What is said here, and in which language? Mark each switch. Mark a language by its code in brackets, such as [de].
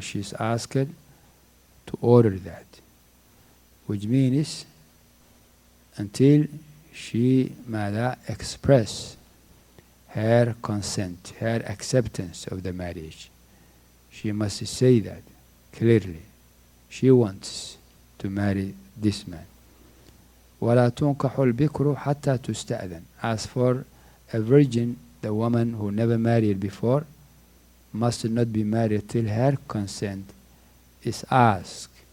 [en] She is asked to order that, which means until she mada express her consent, her acceptance of the marriage. She must say that clearly. She wants to marry this man. [ar] ولا تنكح البكر حتى تستأذن. [en] As for a virgin, the woman who never married before, must not be married till her consent is asked.